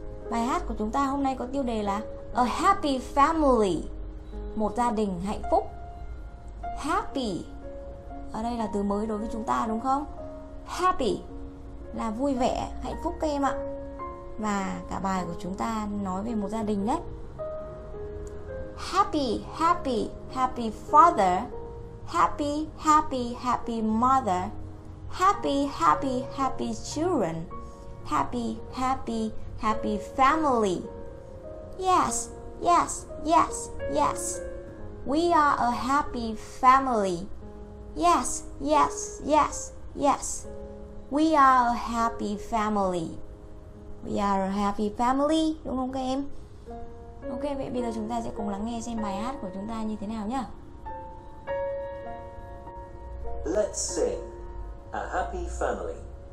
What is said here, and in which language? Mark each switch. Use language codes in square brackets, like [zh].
[vi] Bài hát của chúng ta hôm nay có tiêu đề là A Happy Family, một gia đình hạnh phúc. Happy ở đây là từ mới đối với chúng ta, đúng không? Happy là vui vẻ, hạnh phúc các em ạ. Và cả bài của chúng ta nói về một gia đình đấy. [en] Happy, happy, happy father. Happy, happy, happy mother. Happy, happy, happy children. Happy, happy, happy family. Yes, yes, yes, yes. We are a happy family. Yes, yes, yes, yes. We are a happy family. We are a happy family. Đúng không các em? [vi] Ok, vậy bây giờ chúng ta sẽ cùng lắng nghe xem bài hát của chúng ta như thế nào nhá. [en] Let's sing A Happy Family.